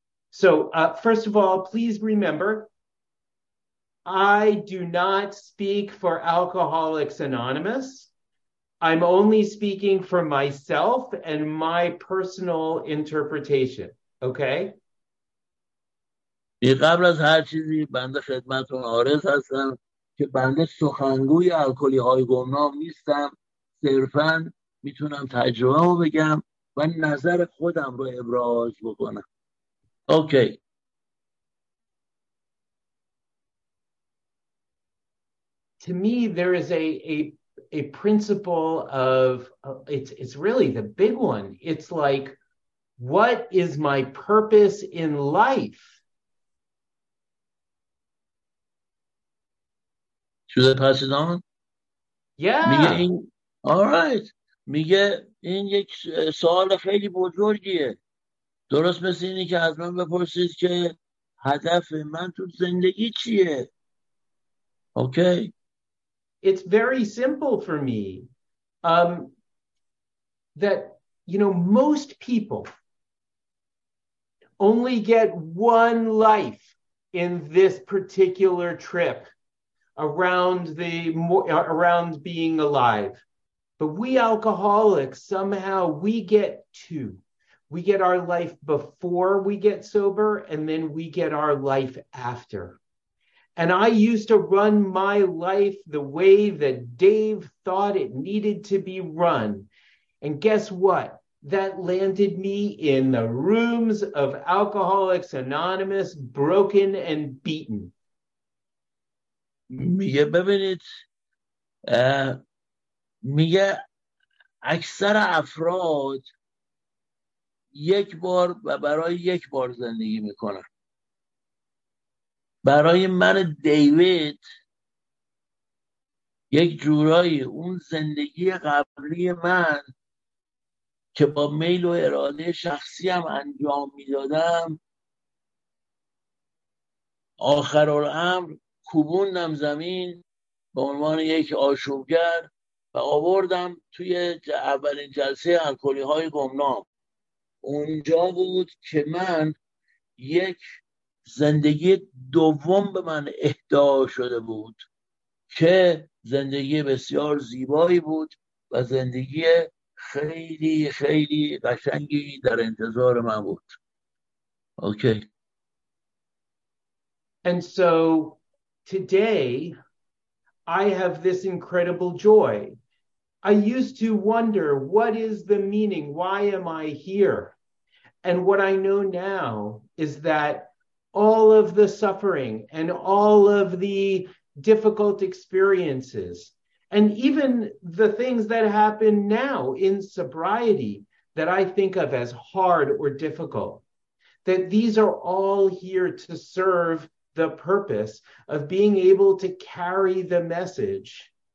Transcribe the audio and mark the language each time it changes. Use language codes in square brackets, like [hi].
[en] So, first of all, please remember, I do not speak for Alcoholics Anonymous. I'm only speaking for myself and my personal interpretation, okay? [fa] بی قبل از هر چیزی بنده خدمتون عارض هستم که بنده سخنگوی الکلی های گمنام نیستم، صرفا میتونم تجربه رو بگم و نظر خودم رو ابراز بکنم. [en] Okay. To me, there is a principle of it's really the big one. It's like, what is my purpose in life? Should I pass it on? Yeah. [fa] میگه این, [en] all right. [fa] میگه این یک سوال خیلی بزرگیه. درست مثل اینی که از من بپرسید که هدف من تو زندگی چیه. [en] Okay. It's very simple for me that, you know, most people only get one life in this particular trip around being alive. But we alcoholics, somehow we get two. We get our life before we get sober, and then we get our life after. And I used to run my life the way that Dave thought it needed to be run. And guess what? That landed me in the rooms of Alcoholics Anonymous, broken and beaten. [fa] میگه ببینید. میگه اکثر افراد یک بار و برای یک بار زندگی میکنن. برای من دیوید یک جورایی اون زندگی قبلی من که با میل و اراده شخصی هم انجام میدادم آخرالامر کوبوندم زمین به عنوان یک آشوبگر و آوردم توی اولین جلسه الکلی های گمنام. اونجا بود که من یک زندگی دوم به من اهدا شده بود که زندگی بسیار زیبایی بود و زندگی خیلی خیلی قشنگی در انتظار من بود. [en] Okay. And so today I have this incredible joy. I used to wonder what is the meaning, why am I here? And what I know now is that all of the suffering and all of the difficult experiences and even the things that happen now in sobriety that I think of as hard or difficult, that these are all here to serve the purpose of being able to carry the message